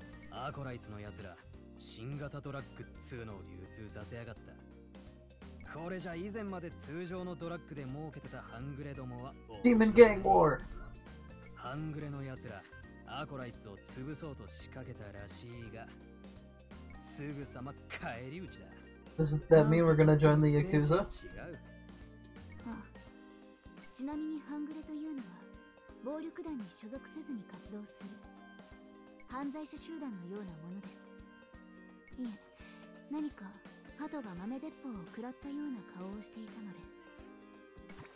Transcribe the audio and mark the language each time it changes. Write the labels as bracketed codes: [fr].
[ja] アコライツのやつら、新型ドラッグ2の流通させやがった。これじゃ以前まで通常のドラッグで儲けてたハングレどもは、ディーモンガングウォー。ハングレのやつら、アコライツを潰そうと仕掛けたらしいが、すぐさま返り討ちだ。 [en] Does that mean we're gonna join the Yakuza? [ja] 違う。ちなみにハングレというのは、暴力団に所属せずに活動する犯罪者集団のようなものです。いえ、何か鳩が豆鉄砲を食らったような顔をしていたので。